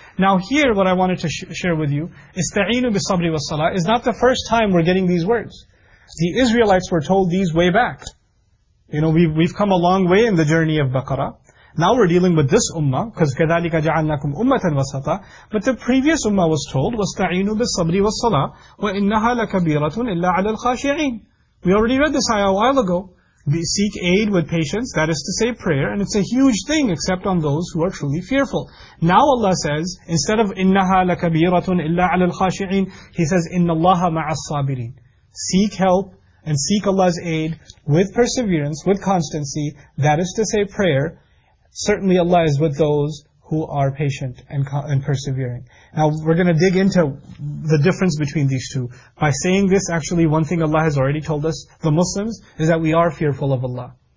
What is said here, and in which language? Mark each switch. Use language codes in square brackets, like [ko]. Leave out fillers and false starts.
[en] Now here, what I wanted to share with you, [ar] إِسْتَعِينُ بِالصَّبْرِ وَالصَّلَاةِ [en] is not the first time we're getting these words. The Israelites were told these way back. You know, we've come a long way in the journey of Baqarah. Now we're dealing with this ummah, because [ar] كَذَلِكَ جَعَلْنَاكُمْ أُمَّةً وَسَطًا. [en] But the previous ummah was told, [ar] وَاسْتَعِينُوا بِالصَّبْرِ وَالصَّلَاةِ وَإِنَّهَا لَكَبِيرَةٌ إِلَّا عَلَى الْخَاشِعِينَ. [en] We already read this ayah a while ago. Seek aid with patience, that is to say prayer, and it's a huge thing except on those who are truly fearful. Now Allah says, instead of [ar] إِنَّهَا لَكَبِيرَةٌ إِلَّا عَلَى الْخَاشِعِينَ, [en] He says, [ar] إِنَّ اللَّهَ مَعَ الصَّابِرِينَ. [en] Seek help and seek Allah's aid with perseverance, with constancy, that is to say prayer. Certainly Allah is with those who are patient and persevering. Now we're going to dig into the difference between these two. By saying this, actually one thing Allah has already told us, the Muslims, is that we are fearful of Allah.